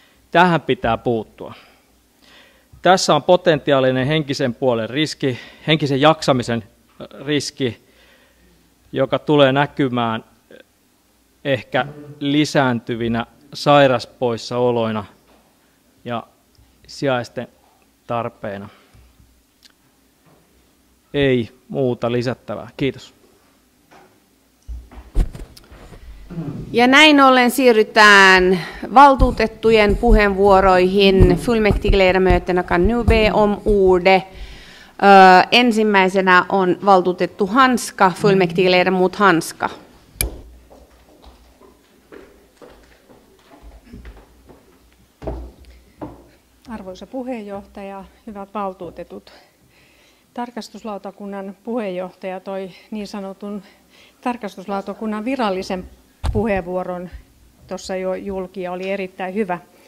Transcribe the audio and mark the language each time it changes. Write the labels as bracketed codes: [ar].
[fi] Tähän pitää puuttua. Tässä on potentiaalinen henkisen puolen riski, henkisen jaksamisen riski, joka tulee näkymään ehkä lisääntyvinä sairaspoissaoloina ja sijaisten tarpeena. Ei muuta lisättävää. Kiitos. Ja näin ollen siirrytään valtuutettujen puheenvuoroihin. [sv] Fullmäktigeledamöterna kan nu be om ordet. [fi] Ensimmäisenä on valtuutettu Hanska, [sv] fullmäktigeledamot [fi] Hanska. Arvoisa puheenjohtaja, hyvät valtuutetut. Tarkastuslautakunnan puheenjohtaja toi niin sanotun tarkastuslautakunnan virallisen puheenvuoron tuossa jo julki ja oli erittäin hyvä.